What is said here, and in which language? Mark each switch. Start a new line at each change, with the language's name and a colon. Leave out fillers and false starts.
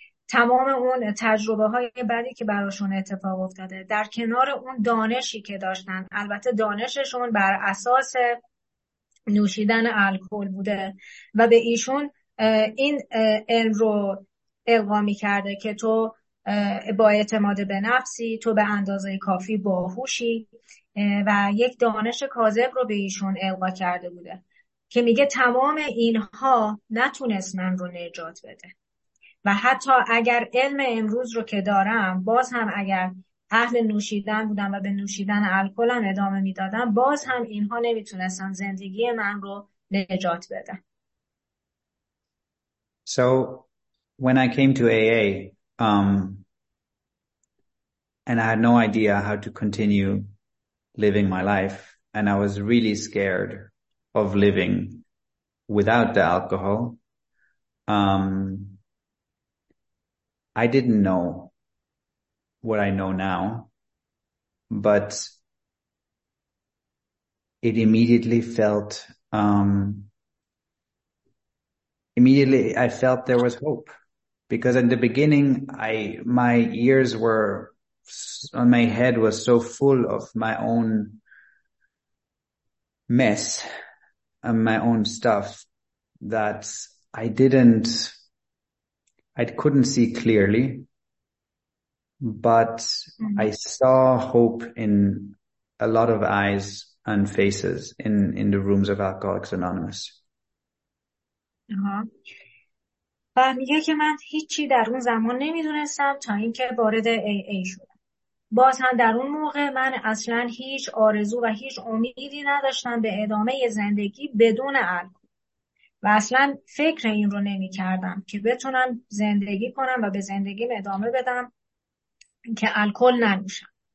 Persian: تمام اون تجربه های بدی که براشون اتفاق افتاده در کنار اون دانشی که داشتن، البته دانششون بر اساس نوشیدن الکل بوده و به ایشون این علم رو القا کرده که تو با اعتماد به نفسی، تو به اندازه کافی باهوشی، و یک دانش کاذب رو به ایشون القا کرده بوده که میگه تمام اینها نتونست من رو نجات بده. و حتی اگر علم امروز رو که دارم، باز هم اگر اهل نوشیدن بودم و به نوشیدن الکلم ادامه میدادم، باز هم اینها نمیتونستن زندگی من رو نجات بدن.
English: So when I came to AA, and I had no idea how to continue living my life, and I was really scared of living without the alcohol, I didn't know what I know now, but it immediately felt, immediately I felt there was hope, because in the beginning my ears were, on my head was so full of my own mess and my own stuff that I couldn't see clearly, but I saw hope in a lot of eyes and faces in the rooms of Alcoholics Anonymous.
Persian: و میگه که من هیچی در اون زمان نمیدونستم تا اینکه وارد AA شدم. باز هم در اون موقع من اصلا هیچ آرزو و هیچ امیدی نداشتم به ادامه زندگی بدون الکل. و اصلا فکر این رو نمی کردم که بتونم زندگی کنم و به زندگیم ادامه بدم که الکل ننوشم.